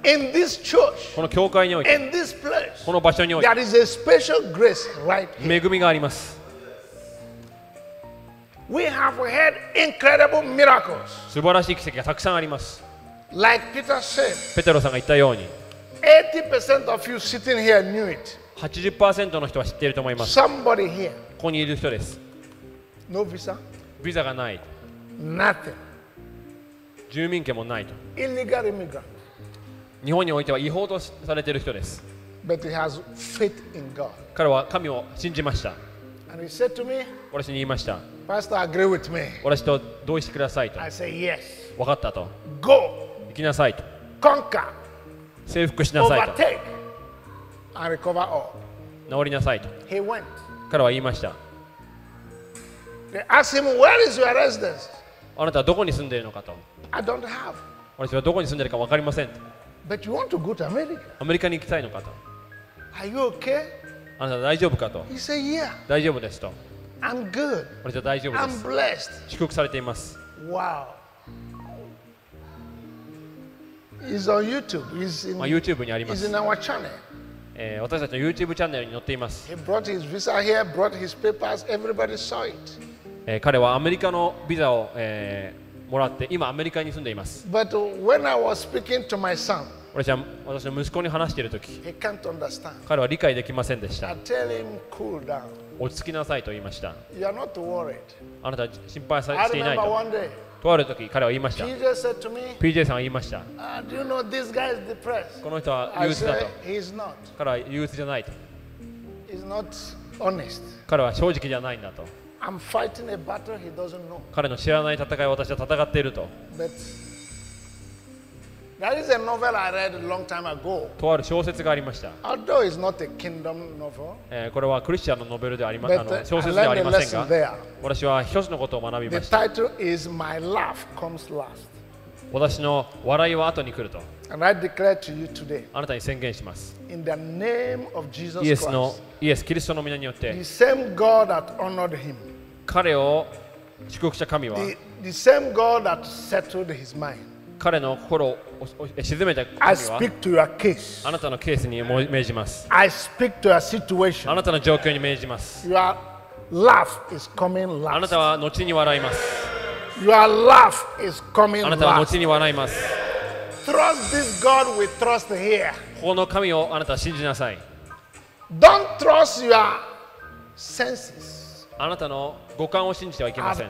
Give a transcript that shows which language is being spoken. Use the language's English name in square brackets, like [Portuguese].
[English] In this church, [Japanese] この教会において [English] In this place, [Japanese] この場所において [English] There is a special grace right here. [Japanese] 恵みがあります。 [English] We have had incredible miracles. [Japanese] 素晴らしい奇跡がたくさんあります。 [English] Like Peter said, [Japanese] ペテロさんが言ったように [English] 80% of you sitting here knew it. [Japanese] 80% の人は知っていると思います。 [English] Somebody here. [Japanese] ここにいる人です。 [English] No visa. [Japanese] ビザがない。 [English] Nothing. [Japanese] 住民権もないと。 [English] Illegal immigrant. [Japanese] 日本においては違法とされている人です。 [English] But he has faith in God. [Japanese] 彼は神を信じました。 [English] And he said to me, [Japanese] 私に言いました。 [English] Pastor, agree with me. [Japanese] 私と同意してくださいと。 [English] I say yes. [Japanese] 分かったと。 [English] Go. [Japanese] 行きなさいと。 [English] Conquer. [Japanese] 征服しなさいと。 [English] Overtake. And recover all. [Japanese] 治りなさいと。 [English] He went. [Japanese] 彼は言いました。 [English] They asked him, where is your residence? [Japanese] あなたはどこに住んでいるのかと。 [English] I don't have. [Japanese] 私はどこに住んでいるか分かりません。 [English] But you want to go to America? [Japanese] アメリカに行きたいのかと。 [English] Are you okay? [Japanese] あなた大丈夫かと。 [English] He said, yeah. [Japanese] 大丈夫ですと。 [English] I'm good. [Japanese] 俺じゃ大丈夫です。 [English] I'm blessed. [Japanese] 祝福されています。 [English] Wow. Is on YouTube. He's in. [Japanese] まあ YouTube にあります。 [English] He's in our channel. [Japanese] 私たちの YouTube チャンネルに載っています。 [English] He brought his visa here. Brought his papers. Everybody saw it. [Japanese] 彼はアメリカのビザを、もらって今アメリカに住んでいます。 [English] But when I was speaking to my son, [Japanese] 私の息子に話している時、 [English] he can't understand. [Japanese] 彼は理解できませんでした。 [English] I tell him cool down. [Japanese] 落ち着きなさいと言いました。 [English] You are not worried. [Japanese] あなた心配していないと。 [English] I remember one day. [Japanese] とある時彼は言いました。 [English] PJ, said to me, [Japanese] PJ さんは言いました。 [English] Do you know this guy is depressed? [Japanese] この人は憂鬱だと。 [English] I said, [Japanese] 彼は憂鬱じゃないと。 [English] He's not honest. [Japanese] 彼は正直じゃないんだと。 [English] I'm fighting a battle he doesn't know. [Japanese] 彼の知らない戦いを私は戦っていると。 [English] But that is a novel I read a long time ago. [Japanese] とある小説がありました。 [English] Although it's not a kingdom novel, [Japanese] これはクリスチャンのノベルではありません。小説ではありませんが。私は一つのことを学びました。 [English] The title is My Laugh Comes Last. [Japanese] 私の笑いは後に来ると。 [English] And I declare to you today, [Japanese] あなたに宣言します。 [English] In the name of Jesus Christ, [Japanese] イエス・キリストの名によって、 [English] the same God that honored him, [Japanese] 彼を祝福した神は、 [English] the same God that settled his mind, [Japanese] 彼の心を沈めた神は、 [English] I speak to your case, [Japanese] あなたのケースに命じます。 [English] I speak to your situation, [Japanese] あなたの状況に命じます。 [English] You areLaugh is coming last. [Japanese] あなたは後に笑います。 [English] Your laugh is coming last. [Japanese] あなたは後に笑います。 [English] Trust this God we trust here. [Japanese] この神をあなたは信じなさい。 [English] Don't trust your senses. [Japanese] あなたの五感を信じてはいけません。